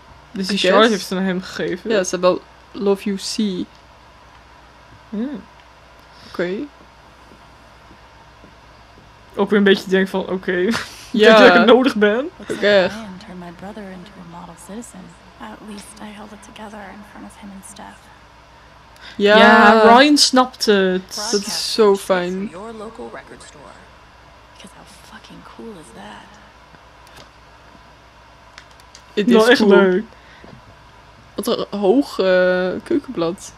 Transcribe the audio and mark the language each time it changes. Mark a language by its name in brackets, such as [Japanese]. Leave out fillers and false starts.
[Dutch] Dus die Charlotte heeft ze naar hem gegeven. Ja, ze wel love you see. Hmm. Oké. Okay. Ook weer een beetje denk van, oké. Okay. Ja. Dat ik het nodig ben. Ook echt. [English] Turn my brother into a model citizen. At least I held it together in front of him and Steph. [Dutch] Ja, Ryan snapt het. Dat is zo fijn. [English] Your local record store. Because how fucking cool is that? [Dutch] Het is echt leuk. Wat een hoog keukenblad.